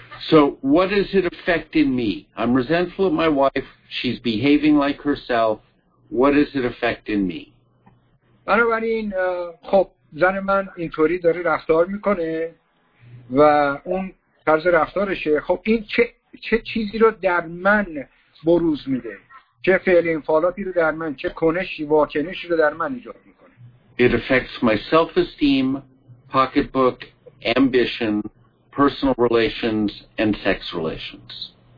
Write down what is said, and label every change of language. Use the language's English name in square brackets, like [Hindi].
[English] So what does it affect in me? I'm resentful at my wife. She's behaving like herself. What does it affect in me? [Persian] بنابراین خب زن من اینطوری داره رفتار میکنه و اون طرز رفتارشه. خب این چه چیزی رو در من بروز میده؟ چه فعل انفعالاتی رو در من، چه کنشی، واکنشی رو در من ایجاد میکنه؟ [English] It affects my self-esteem, pocketbook, ambition, personal relations, and sex relations.